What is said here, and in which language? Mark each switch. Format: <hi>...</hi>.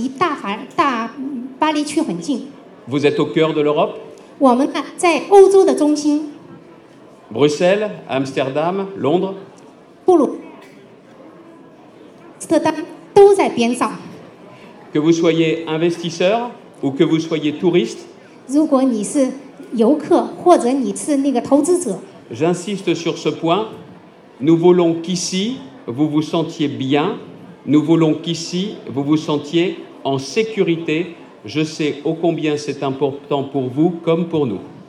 <zh>大家呢离巴黎很近，离大巴黎区很近。</zh> <fr>Vous êtes au cœur de l'Europe?</fr> <zh>我们呢在欧洲的中心。</zh> <fr>Bruxelles, Amsterdam, Londres?</fr> <zh>布鲁斯特丹都在边上。</zh> <fr>Que vous soyez investisseur ou que vous soyez touriste?</fr> <zh>如果你是游客或者你是那个投资者。</zh> <fr>J'insiste sur ce point. Nous voulons qu'ici, vous vous sentiez bien. Nous voulons qu'ici, vous vous sentiez en sécurité. Je sais ô combien c'est important pour vous comme pour nous.</fr>